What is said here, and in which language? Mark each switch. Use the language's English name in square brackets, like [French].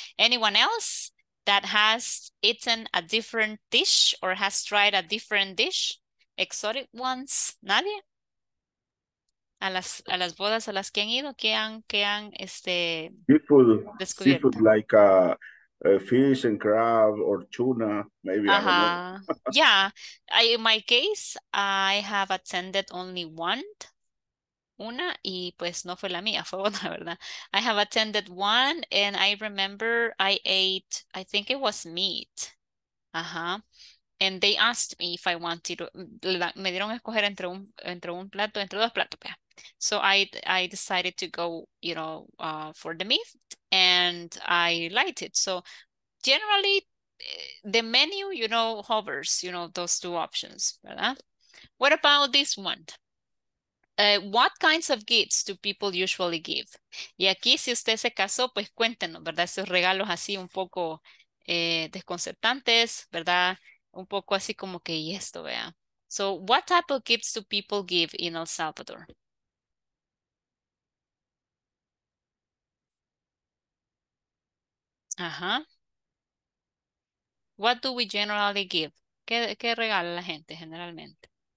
[English] Anyone else that has eaten a different dish or has tried a different dish? Exotic ones? [Spanish] Nadie? A las bodas a las que han ido, que han [English] seafood like fish and crab or tuna, maybe. Uh-huh. Yeah. In my case, I have attended only [Spanish] una, y pues no fue la mía, fue otra, ¿verdad? [English] I have attended one, and I remember I ate, I think it was meat. Uh-huh. And they asked me if I wanted to, [Spanish] me dieron a escoger entre un plato, entre dos platos. [English] So I decided to go, you know, for the meat, and I liked it. So generally, the menu, you know, hovers, you know, those two options. ¿Verdad? What about this one? What kinds of gifts do people usually give? [Spanish] Y aquí, si usted se casó, pues cuéntenos, ¿verdad? Esos regalos así un poco desconcertantes, ¿verdad? Un poco así como que y esto, vea. [English] So what type of gifts do people give in El Salvador? Uh-huh. What do we generally give? [Spanish] ¿Qué regala la gente generalmente?